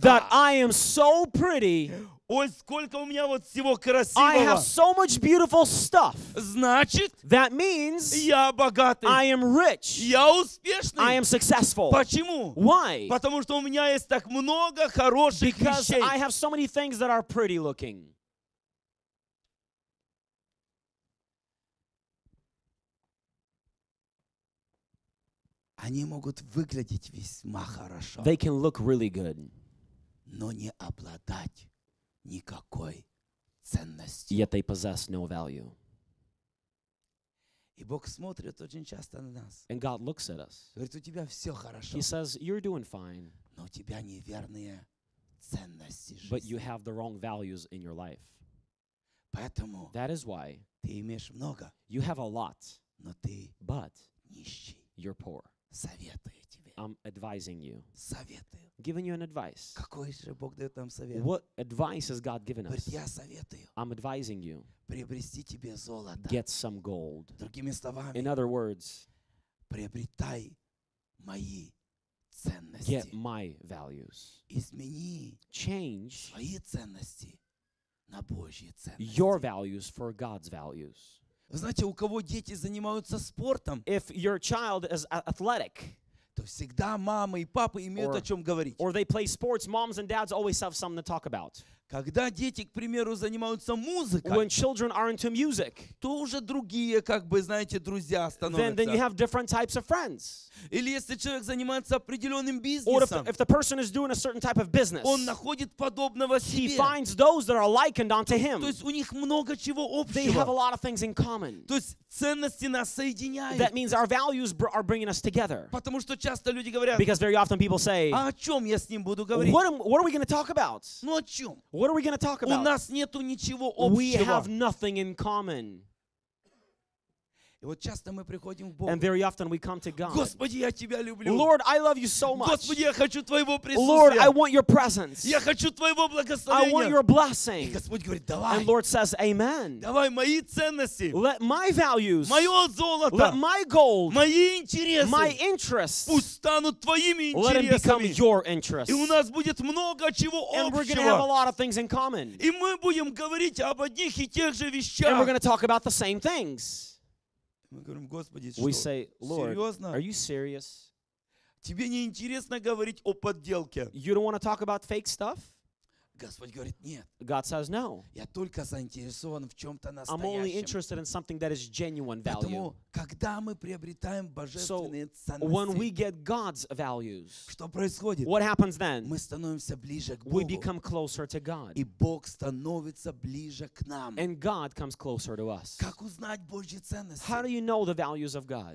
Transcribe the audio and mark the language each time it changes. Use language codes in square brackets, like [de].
[en] That I am so pretty. [ru] Ой, сколько у меня вот всего красивого. [en] I have so much beautiful stuff. [ru] Значит, [en] that means [ru] я богатый. [en] I am rich. [ru] Я успешный. [en] I am successful. [ru] Почему? [en] Why? [ru] Потому что у меня есть так много хороших [en] Because [ru] вещей. [en] Because I have so many things that are pretty looking. [ru] Они могут выглядеть весьма хорошо. [en] They can look really good. [ru] Но не обладать. Никакой ценности. [en] Yet they possess no value. [ru] И Бог смотрит очень часто на нас. [en] And God looks at us. [ru] Говорит, у тебя все хорошо. [en] He says, you're doing fine. [ru] Но у тебя неверные ценности жизни. [en] But you have the wrong values in your life. [ru] Поэтому [en] that is why [ru] ты имеешь много. [en] You have a lot. [ru] Но ты [en] but [ru] нищий. [en] You're poor. [ru] Советую тебе. [en] I'm advising you. [ru] Советую. [en] Giving you an advice. [ru] Какой же Бог дает нам совет? [en] What advice has God given us? [ru] Говорит, я советую. [en] I'm advising you. [ru] Приобрести тебе золото. [en] Get some gold. [ru] Другими словами. [en] In other words. [ru] Приобретай мои ценности. [en] Get my values. [ru] Измени. [en] Change. [ru] Свои ценности на Божьи ценности. [en] Your values for God's values. [ru] Знаете, у кого дети занимаются спортом? [en] If your child is athletic. [ru] То всегда мама и папа имеют о чем говорить. [en] Or they play sports, moms and dads always have something to talk about. [ru] Когда дети, к примеру, занимаются музыкой, [en] when children are into music, [ru] то уже другие, как бы, знаете, друзья становятся. [en] Then you have different types of friends. [ru] Или если человек занимается определенным бизнесом, [en] if the person is doing a certain type of business, [ru] он находит подобного себе. [en] He finds those that are likened unto him. [ru] То есть у них много чего общего. [en] They have a lot of things in common. [ru] То есть ценности нас соединяют. [en] That means our values are bringing us together. [ru] Потому что часто люди говорят. [en] Because very often people say. [ru] А о чем я с ним буду говорить? [en] What are we going to talk about? [ru] Ну о чем? [en] What are we going to talk about? [ru] У нас нету ничего общего. [en] We have nothing in common. [ru] И вот часто мы приходим к Богу. [en] And very often we come to God. [ru] Господи, я тебя люблю. [en] Lord, I love you so much. [ru] Господи, я хочу твоего присутствия. [en] Lord, I want your presence. [ru] Я хочу твоего благословения. [en] I want your blessing. [ru] И Господь говорит, давай. [en] And Lord says, Amen. [ru] Давай мои ценности. [en] Let my values. [ru] Мое золото. [en] Let my gold. [ru] Мои интересы. [en] My interests. [ru] Пусть станут твоими интересами. [en] Let them become your interests. [ru] И у нас будет много чего общего. [en] And we're going to have a lot of things in common. [ru] И мы будем говорить об одних и тех же вещах. [en] And we're going to talk about the same things. [ru] Мы говорим, Господи, [en] we [ru] что? [en] Say, Lord, [ru] серьезно? [en] Are you serious? [ru] Тебе не интересно говорить о подделке? [en] You don't want to talk about fake stuff? [ru] Господь говорит, нет. [en] God says no. [ru] Я только заинтересован в чем-то настоящем. [en] I'm only interested in something that is genuine value. [ru] Поэтому, когда мы приобретаем божественные ценности, [en] when we get God's values, [ru] что происходит? [en] What happens then? [ru] Мы становимся ближе к Богу. [en] We become closer to God. [ru] И Бог становится ближе к нам. [en] And God comes closer to us. [ru] Как узнать Божьи ценности? [en] How do you know the values of God?